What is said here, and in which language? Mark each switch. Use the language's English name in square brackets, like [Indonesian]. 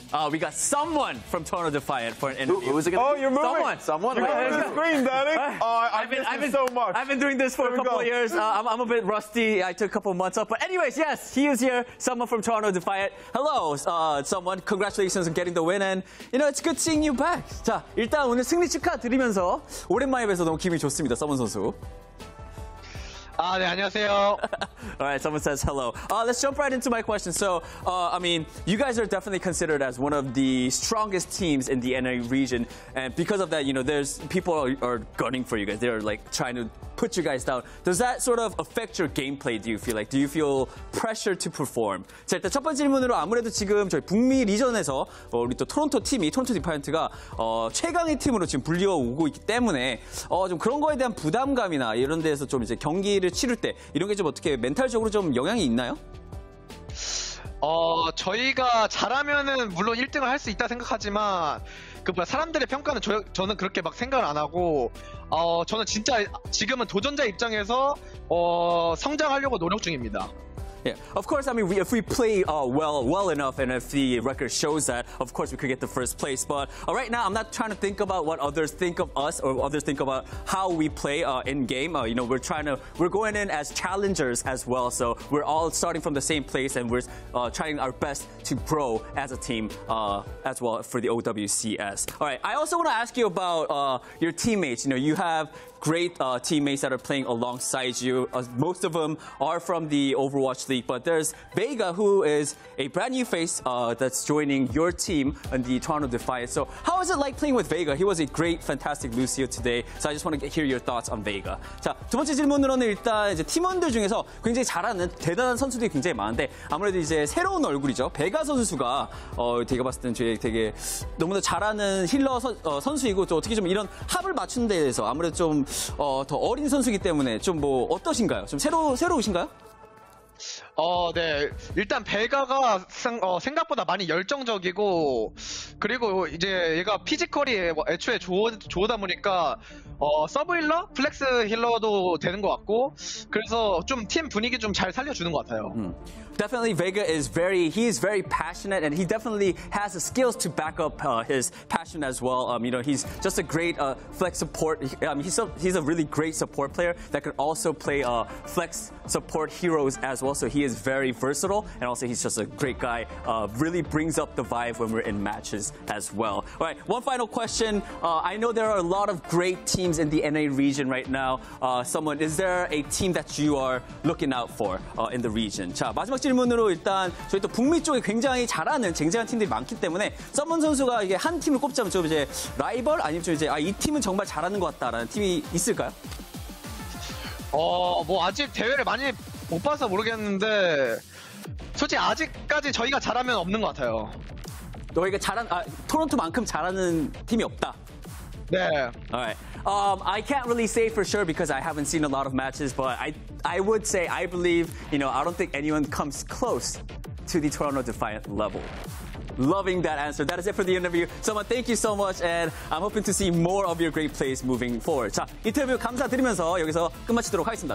[English] We got someone from Toronto Defiant for an interview. Who is it? Oh, you're moving. Someone. You're moving the screen, Danny. I've been so much. I've been doing this for a couple of years. I'm a bit rusty. I took a couple of months off. But anyways, yes, he is here. Someone from Toronto Defiant. Hello, someone. Congratulations on getting the win. And, you know, it's good seeing you back. [Korean] 자, 일단 오늘 승리 축하드리면서 오랜만에 뵈서 너무 기분이 좋습니다, 서문 선수. 아, 네, 안녕하세요. [English] All right, someone says hello. Let's jump right into my question. So, I mean, you guys are definitely considered as one of the strongest teams in the NA region. And because of that, you know, there's people are gunning for you guys. They're like trying to put you guys down. Does that sort of affect your gameplay, do you feel like? Do you feel pressure to perform? [Korean] 자, 일단 첫 번째 질문으로 아무래도 지금 저희 북미 리전에서 우리 또 토론토 팀이, 토론토 디파이언트가 최강의 팀으로 지금 불려오고 있기 때문에 좀 그런 거에 대한 부담감이나 이런 데서 좀 이제 경기 치를 때 이런 게 좀 어떻게 멘탈적으로 좀 영향이 있나요? 저희가 잘하면은 물론 1등을 할 수 있다 생각하지만 그 뭐야 사람들의 평가는 저는 그렇게 막 생각을 안 하고 저는 진짜 지금은 도전자 입장에서 성장하려고 노력 중입니다. [English] Yeah, of course. I mean, if we play well enough, and if the record shows that, of course we could get the first place. But right now, I'm not trying to think about what others think of us or others think about how we play in game. You know, we're going in as challengers as well. So we're all starting from the same place, and we're trying our best to grow as a team as well for the OWCS. All right. I also want to ask you about your teammates. You know, you have great teammates that are playing alongside you. Most of them are from the Overwatch League, but there's Vega, who is a brand new face that's joining your team in the Toronto Defiant. So how is it like playing with Vega? He was a great, fantastic Lucio today. So I just want to hear your thoughts on Vega. [Korean] 자, 두 번째 질문으로는 일단 이제 팀원들 중에서 굉장히 잘하는 대단한 선수들이 굉장히 많은데 아무래도 이제 새로운 얼굴이죠. 베가 선수가 제가 봤을 때는 되게 너무나 잘하는 힐러 선수이고 또 어떻게 좀 이런 합을 맞추는 데 대해서 아무래도 좀 더 어린 선수이기 때문에 좀 뭐 어떠신가요? 좀 새로우신가요? 네. 일단 베가가 생각보다 많이 열정적이고 그리고 이제 얘가 피지컬이 애초에 좋다 보니까 서브 힐러? 플렉스 힐러도 되는 것 같고 그래서 좀 팀 분위기 좀 잘 살려주는 것 같아요. [English] Definitely Vega is very passionate and he definitely has the skills to back up his passion as well. You know, he's just a great flex support. He's a really great support player that could also play flex support heroes as well. So he is very versatile and also he's just a great guy. Really brings up the vibe when we're in matches as well. All right, one final question. I know there are a lot of great teams in the NA region right now. Someone, is there a team that you are looking out for in the region? [Korean] 자, 마지막 질문으로 일단 저희 또 북미 쪽에 굉장히 잘하는 쟁쟁한 팀들이 많기 때문에 서먼 선수가 이게 한 팀을 꼽자면 좀 이제 라이벌 아니면 좀 이제 이 팀은 정말 잘하는 것 같다라는 팀이 있을까요? 뭐 아직 대회를 많이 못 봐서 모르겠는데 솔직히 아직까지 저희가 잘하면 없는 것 같아요. 너희가 잘한 토론토만큼 잘하는 팀이 없다. 네. [English] Alright. I can't really say for sure because I haven't seen a lot of matches, but I would say I believe, you know, I don't think anyone comes close to the Toronto Defiant level. Loving that answer. That is it for the interview. Soma, thank you so much, and I'm hoping to see more of your great plays moving forward. [Korean] 자, 인터뷰 감사드리면서 여기서 끝마치도록 하겠습니다.